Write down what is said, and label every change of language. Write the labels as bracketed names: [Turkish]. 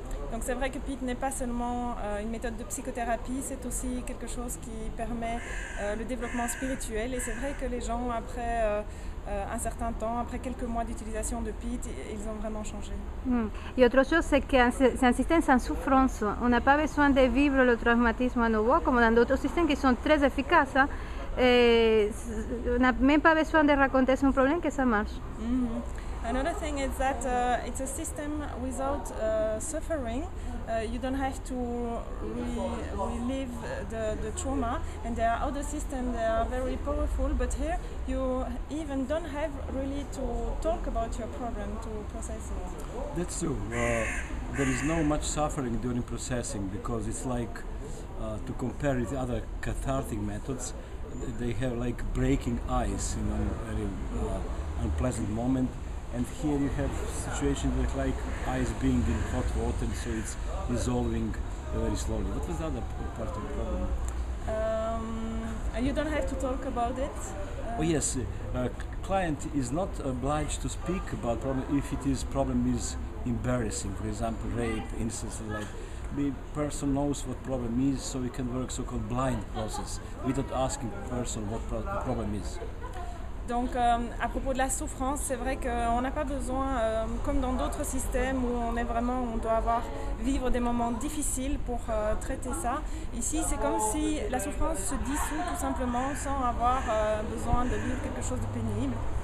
[French] Donc c'est vrai que PEAT n'est pas seulement une méthode de psychothérapie, c'est aussi quelque chose qui permet le développement spirituel, et c'est vrai que les gens après un certain temps, après quelques mois d'utilisation de PEAT, ils ont vraiment changé. Et autre chose, c'est que c'est un système sans souffrance. On n'a pas besoin de vivre le traumatisme à nouveau, comme dans d'autres systèmes qui sont très efficaces. On n'a même pas besoin de raconter son problème, que ça marche. [English] Another thing is that it's a system without suffering. You don't have to relive the trauma. And there are other systems that are very powerful, but here you even don't have really to talk about your problem, to process it. That's true. There is no much suffering during processing, because it's like, to compare with other cathartic methods, they have like breaking ice in a very unpleasant moment. And here you have situations that like ice being in hot water, so it's dissolving very slowly. What was the other part of the problem? You don't have to talk about it. Yes, a client is not obliged to speak about problem if it is problem is embarrassing, for example, rape, instances like. The person knows what problem is, so we can work so-called blind process without asking person what the problem is. [French] Donc, à propos de la souffrance, c'est vrai qu'on n'a pas besoin, comme dans d'autres systèmes où on est vraiment, on doit avoir vivre des moments difficiles pour traiter ça. Ici, c'est comme si la souffrance se dissout tout simplement sans avoir besoin de vivre quelque chose de pénible.